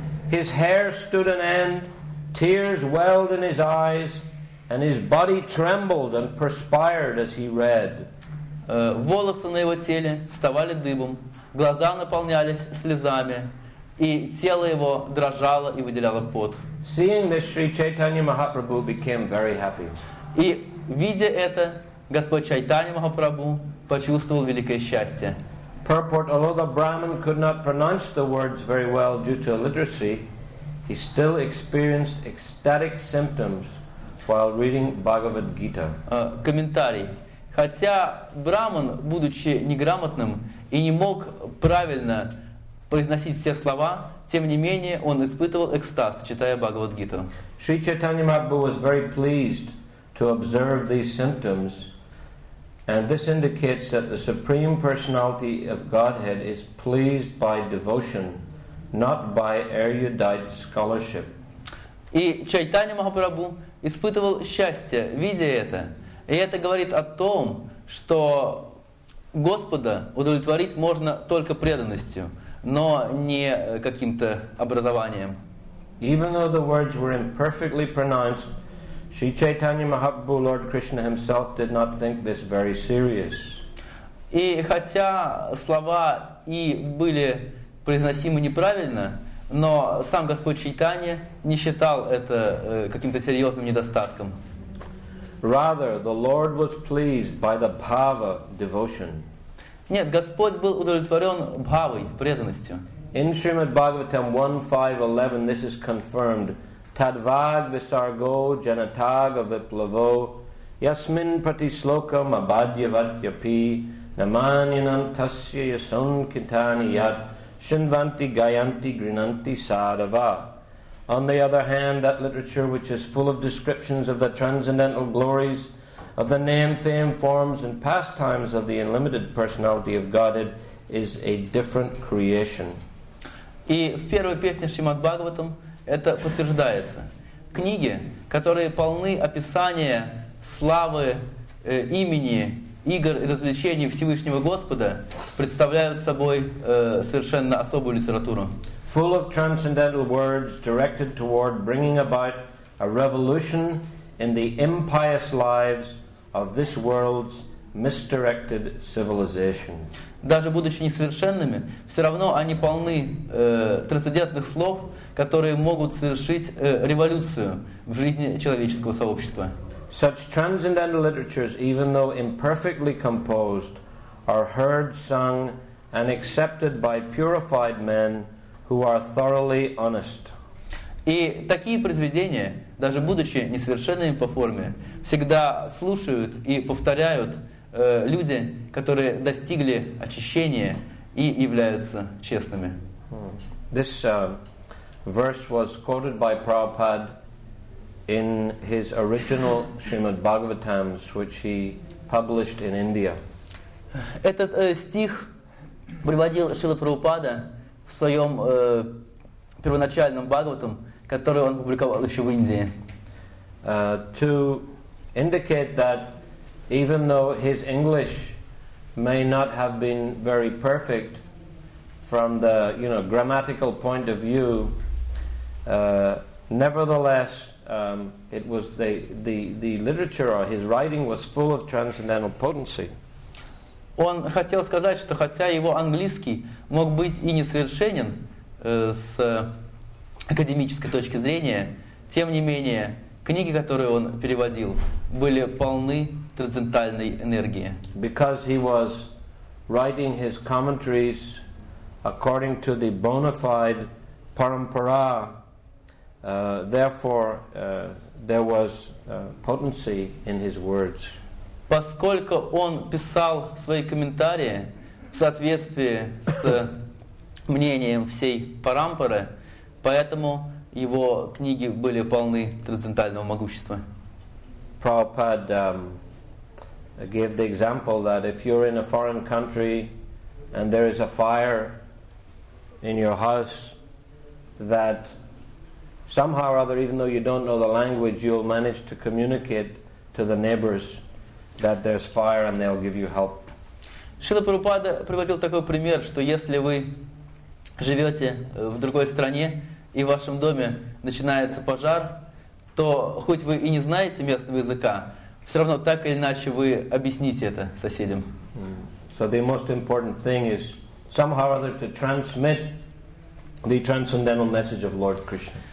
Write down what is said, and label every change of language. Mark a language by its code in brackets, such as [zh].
[en] His hair stood on end, tears welled in his eyes, and his body trembled and perspired as he read. [ru] Волосы на его теле вставали дыбом, глаза наполнялись слезами, и тело его дрожало и выделяло пот. [en] Seeing this, Sri Chaitanya Mahaprabhu became very happy. [ru] И видя это, Господь Чайтанья Махапрабху почувствовал великое счастье. [en] Purport, although the Brahmin could not pronounce the words very well due to illiteracy, he still experienced ecstatic symptoms while reading Bhagavad Gita. [ru] Комментарий. Хотя Брахман, будучи неграмотным и не мог правильно произносить все слова, тем не менее он испытывал экстаз, читая Бхагавад Гиту. [en] Sri Chaitanya Mahaprabhu was very pleased to observe these symptoms. And this indicates that the Supreme Personality of Godhead is pleased by devotion, not by erudite scholarship. [ru] И Чайтанья Махапрабху испытывал счастье, видя это. И это говорит о том, что Господа удовлетворить можно только преданностью, но не каким-то образованием. [en] Even though the words were imperfectly pronounced, Sri Chaitanya Mahaprabhu, Lord Krishna himself, did not think this very serious. [ru] И хотя слова и были произносимы неправильно, но сам Господь Чайтанья не считал это каким-то серьезным недостатком. [en] Rather, the Lord was pleased by the bhava devotion. [ru] Нет, Господь был удовлетворен бхавой, преданностью. [en] In Srimad Bhagavatam 1.5.11 this is confirmed. [sa] Tadvag visargo janataga viplavo yasmin prati slokam abhadyavadyapi namanyanantasya yasun kintani yad shinvanti gayanti grinanti sadhava. [en] On the other hand, that literature which is full of descriptions of the transcendental glories of the name, fame, forms and pastimes of the unlimited personality of Godhead is a different creation. [ru] И в первой песне Шримад Бхагаватам это подтверждается. Книги, которые полны описания славы, имени, игр и развлечений Всевышнего Господа, представляют собой совершенно особую литературу. [en] Full of transcendental words directed toward bringing about a revolution in the impious lives of this world's misdirected civilization. [ru] Даже будучи несовершенными, все равно они полны трансцендентных слов, которые могут совершить революцию в жизни человеческого сообщества. [en] Such transcendental literatures, even though imperfectly composed, are heard, sung, and accepted by purified men who are thoroughly honest. [ru] И такие произведения, даже будучи несовершенными по форме, всегда слушают и повторяют люди, которые достигли очищения и являются честными. [en] This verse was quoted by Prabhupada in his original Srimad Bhagavatams, which he published in India. [ru] Этот стих приводил Шрила Прабхупада в своем первоначальном Бхагаватам, который он публиковал еще в Индии. [en] To indicate that even though his English may not have been very perfect from the, you know, grammatical point of view, nevertheless, it was the literature or his writing was full of transcendental potency. [ru] Он хотел сказать, что хотя его английский мог быть и несовершенен с академической точки зрения, тем не менее книги, которые он переводил, были полны трансцендентальной энергии. [en] Because he was writing his commentaries according to the bona fide parampara, therefore there was potency in his words. [ru] поскольку он писал свои комментарии в соответствии с мнением всей парампары, поэтому его книги были полны трансцендентального могущества. [en] Prabhupada gave the example that if you're in a foreign country and there is a fire in your house, that somehow or other, even though you don't know the language, you'll manage to communicate to the neighbors that there's fire and they'll give you help. [ru] Шрила Прабхупада приводил такой пример, что если вы живете в другой стране и в вашем доме начинается пожар, то хоть вы и не знаете местного языка, все равно так или иначе вы объясните это соседям. [en] So the most important thing is somehow or other to transmit the transcendental message of Lord Krishna.